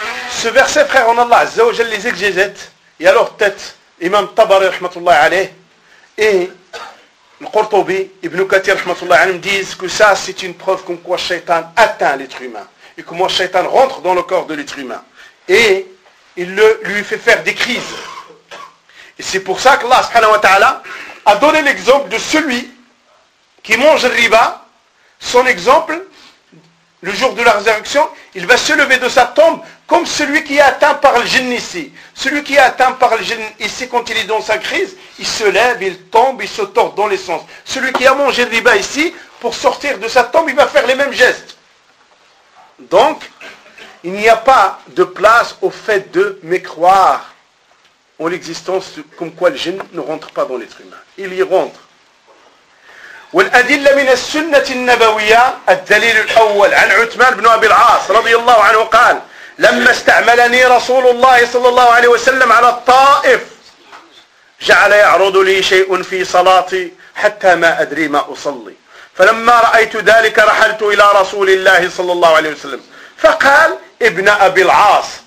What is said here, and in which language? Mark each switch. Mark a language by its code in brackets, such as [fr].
[fr] Ce verset, frère, en Allah, Azzawajal, les exégètes, et alors peut-être, Imam Tabari, [ar] rahmatullah alayh, [fr] et le Qurtubi, Ibn Kathir, rahmatullah alayh, disent que ça, c'est une preuve comme quoi Shaitan atteint l'être humain, et comment Shaitan rentre dans le corps de l'être humain, et il lui fait faire des crises. Et c'est pour ça qu'Allah, [ar] subhanahu wa ta'ala, [fr] a donné l'exemple de celui qui mange le riba, son exemple, le jour de la résurrection, il va se lever de sa tombe comme celui qui est atteint par le djinn ici. Celui qui est atteint par le djinn ici, quand il est dans sa crise, il se lève, il tombe, il se tord dans les sens. Celui qui a mangé le riba ici, pour sortir de sa tombe, il va faire les mêmes gestes. Donc, il n'y a pas de place au fait de mécroire en l'existence comme quoi le djinn ne rentre pas dans l'être humain. Il y rentre. [ar] والأدلة من السنة النبوية الدليل الأول عن عثمان بن أبي العاص رضي الله عنه قال لما استعملني رسول الله صلى الله عليه وسلم على الطائف جعل يعرض لي شيء في صلاتي حتى ما أدري ما أصلي فلما رأيت ذلك رحلت إلى رسول الله صلى الله عليه وسلم فقال ابن أبي العاص